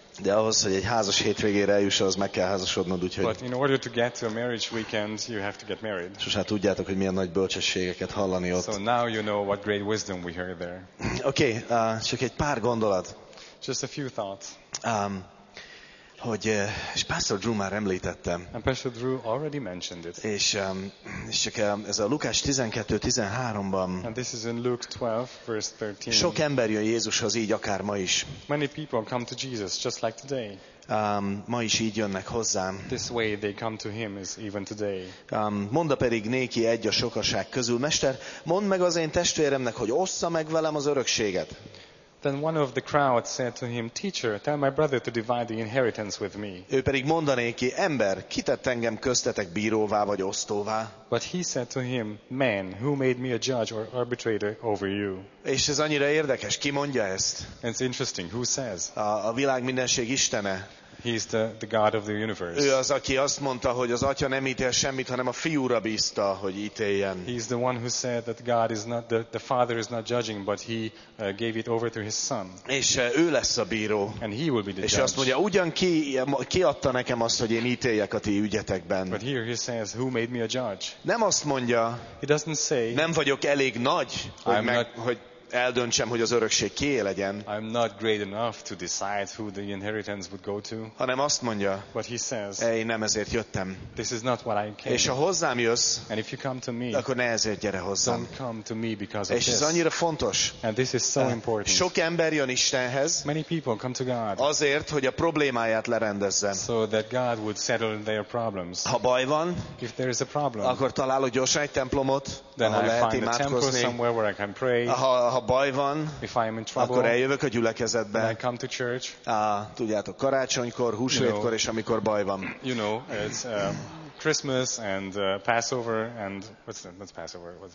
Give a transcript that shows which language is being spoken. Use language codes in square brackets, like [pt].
[hu] De ahhoz, hogy egy házas hétvégére eljuss, az meg kell házasodnod, úgyhogy. [en] But in order to get to a marriage weekend, you have to get married. [hu] Sosem tudjátok, hogy milyen nagy bölcsességeket hallani ott. [en] So now you know what great wisdom we heard there. [hu] Okay, csak egy pár gondolat. [en] Just a few thoughts. [hu] Hogy és Pastor Drew már említette. [en] And Pastor Drew already mentioned it. [hu] És csak ez a Lukács 12:13-ban. [en] And this is in Luke 12:13. [hu] Sok ember jön Jézushoz így akár ma is. [en] Many people come to Jesus just like today. [hu] Ma is így jönnek hozzám. [en] This way they come to him is even today. [hu] Mondta pedig néki egy a sokaság közül, Mester, mondd meg az én testvéremnek, hogy ossza meg velem az örökséget. [en] Then one of the crowd said to him, Teacher, tell my brother to divide the inheritance with me. [hu] Ő pedig mondaná neki, ember, ki tett engem köztetek bíróvá vagy osztóvá? [en] But he said to him, man, who made me a judge or arbitrator over you? [hu] És ez annyira érdekes, ki mondja ezt? [en] It's interesting, who says? [hu] A világ mindenség Istene. [en] He's the God of the universe. [hu] Ő az, aki azt mondta, hogy az Atya nem ítél semmit, hanem a Fiúra bízta, hogy ítéljen. [en] He's the one who said that God is not the Father is not judging, but he gave it over to his Son. [hu] És ő lesz a bíró. [en] And he will be the [hu] És [en] judge. [hu] Azt mondja, ugyan ki adta nekem azt, hogy én ítéljek a ti ügyetekben? [en] But here he says, who made me a judge? [hu] Nem azt mondja. [en] He doesn't say. [hu] Nem vagyok elég nagy, hogy eldöntsem, hogy az örökség kié legyen. [en] I'm not great enough to decide who the inheritance would go to. [hu] Hanem azt mondja. [en] But he says. [hu] Én nem ezért jöttem. [en] This is not what I came. [hu] És ha hozzám jössz, [en] and if you come to me, [hu] akkor ne ezért gyere hozzám. [en] Don't come to me because of [hu] És [en] this. [hu] Ez annyira fontos. [en] And this is so important. [hu] Sok ember jön Istenhez. [en] Many people come to God. [hu] Azért, hogy a problémáját lerendezze. [en] So that God would settle their problems. [hu] Ha baj van, [en] if there is a problem, [hu] akkor találok gyorsan egy templomot, [en] then [hu] ahol [en] I [hu] lehet [en] find [hu] imádkozni. [en] A temple somewhere where I can pray. [hu] Ha baj van, [en] if I am in trouble, [hu] akkor eljövök a gyülekezetbe. [en] I come to church. [hu] Tudjátok, karácsonykor, húsvétkor, [en] you know, [hu] és amikor baj van. [en] You know, it's Christmas and Passover and what's Passover?